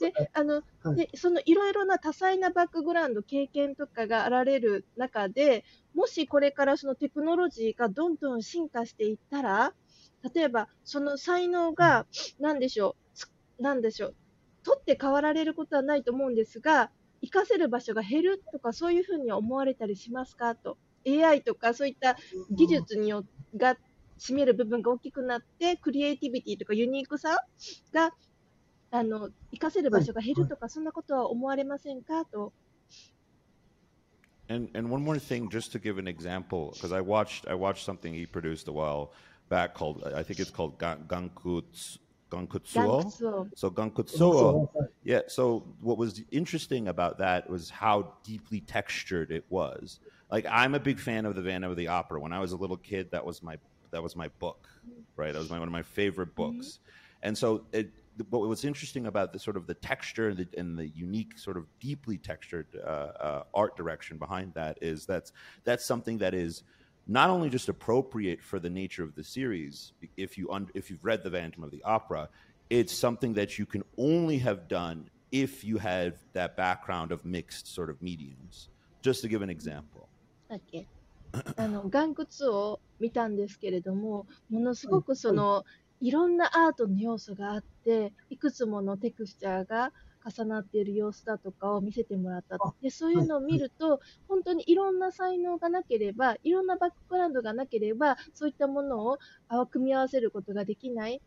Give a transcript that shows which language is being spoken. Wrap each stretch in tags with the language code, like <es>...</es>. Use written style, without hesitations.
<ja>であの、はい、でそのいろいろな多彩なバックグラウンド経験とかがあられる中で、もしこれからそのテクノロジーがどんどん進化していったら、例えばその才能が何でしょう、うん、何でしょう、取って変わられることはないと思うんですが、活かせる場所が減るとか、そういうふうに思われたりしますかと。 AI とかそういった技術によが占める部分が大きくなって、クリエイティビティとかユニークさが活かせる場所が減るとか、そんなことは思われませんかと。</ja> <en>And one more thing, just to give an example, because I watched something he produced a while back called, I think it's called Gankutsuo. So Gankutsuo. Yeah, so what was interesting about that was how deeply textured it was. Like, I'm a big fan of the Phantom of the Opera. When I was a little kid, that was my book, right? That was one of my favorite books. Mm-hmm. And so what was interesting about the sort of the texture and the unique sort of deeply textured art direction behind that is that's something that is not only just appropriate for the nature of the series, if you've read The Phantom of the Opera, it's something that you can only have done if you had that background of mixed sort of mediums. Just to give an example. Okay.</en> <ja>あの、岩窟を見たんですけれども、ものすごくその、いろんなアートの要素があって、いくつものテクスチャーが重なっている様子だとかを見せてもらった。でそういうのを見ると、はい、本当にいろんな才能がなければ、いろんなバックグラウンドがなければ、そういったものを組み合わせることができない。</ja>